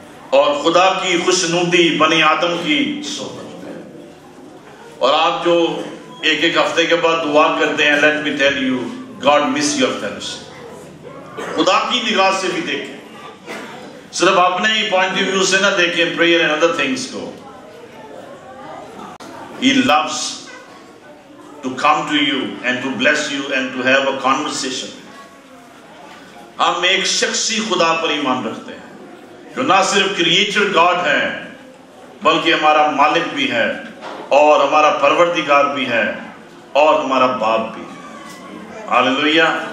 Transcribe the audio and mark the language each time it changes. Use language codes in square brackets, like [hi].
[ur] اور خدا کی خوشنودی بنی آدم کی صحبت میں, اور آپ جو ایک ایک ہفتے کے بعد دعا کرتے ہیں, [en] Let me tell you, God miss your fellowship. [ur] خدا کی نگاہ سے بھی دیکھیں, صرف اپنے ہی پوائنٹ آف ویو سے نہ دیکھیں [en] prayer and other things [ur] کو. ہی loose [en] to come to you and to bless you and to have a conversation. [ur] ہم ایک شخصی خدا پر ایمان رکھتے ہیں جو نہ صرف کریئیٹر گاڈ ہے بلکہ ہمارا مالک بھی ہے اور ہمارا پروردگار بھی ہے اور ہمارا باپ بھی ہے. [en] Hallelujah.